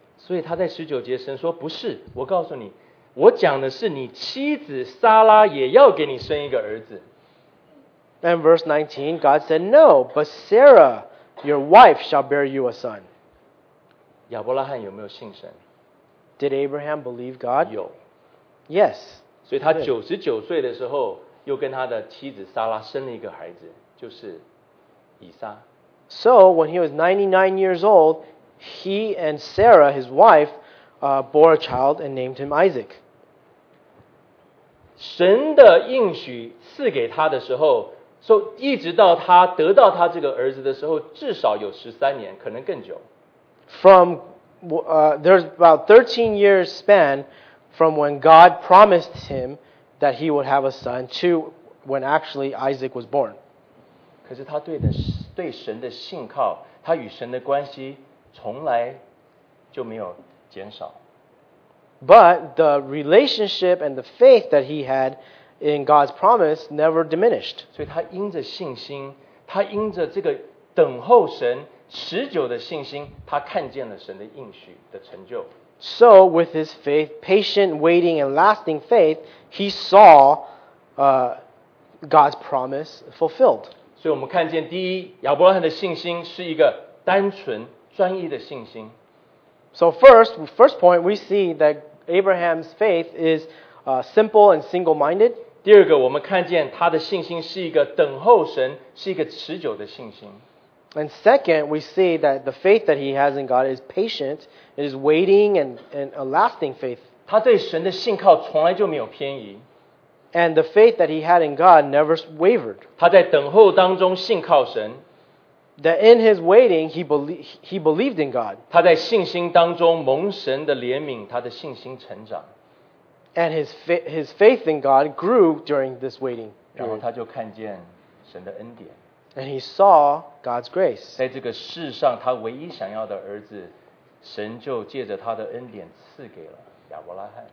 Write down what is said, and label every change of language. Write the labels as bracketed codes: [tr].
[zh] 所以他在十九节神说，不是，我告诉你，我讲的是你妻子撒拉也要给你生一个儿子。 [en] And verse 19, God said, No, but Sarah, your wife, shall bear you a son. [zh] 亚伯拉罕有没有信神？ [en] Did Abraham believe God? [zh] 有。 [en] Yes. [zh] 所以他九十九岁的时候，又跟他的妻子撒拉生了一个孩子，就是以撒。 [en] So when he was 99 years old, he and Sarah, his wife, bore a child and named him Isaac. [zh] 神的应许赐给他的时候，所以一直到他得到他这个儿子的时候，至少有13年，可能更久。 [en] From there's about 13 years span from when God promised him that he would have a son to when actually Isaac was born. [zh] 可是他对神的信靠，他与神的关系从来就没有减少。 [en] But the relationship and the faith that he had in God's promise never diminished. [zh] 所以他因着信心，他因着这个等候神持久的信心，他看见了神的应许的成就。 [en] So with his faith, patient waiting and lasting faith, he saw God's promise fulfilled. [zh] 所以我们看见第一，亚伯拉罕的信心是一个单纯专一的信心。 [en] So first point, we see that Abraham's faith is simple and single-minded. [zh] 第二个，我们看见他的信心是一个等候神，是一个持久的信心。 [en] And second, we see that the faith that he has in God is patient, is waiting and a lasting faith. [zh] 他对神的信靠从来就没有偏移。 [en] And the faith that he had in God never wavered. [zh] 他在等候当中信靠神。 [en] That in his waiting, he believed in God. [zh] 他在信心当中蒙神的怜悯，他的信心成长。 [en] And his faith in God grew during this waiting. [zh] 然后他就看见神的恩典。 [en] And he saw God's grace. [zh] 在这个世上他唯一想要的儿子神就借着他的恩典赐给了亚伯拉罕。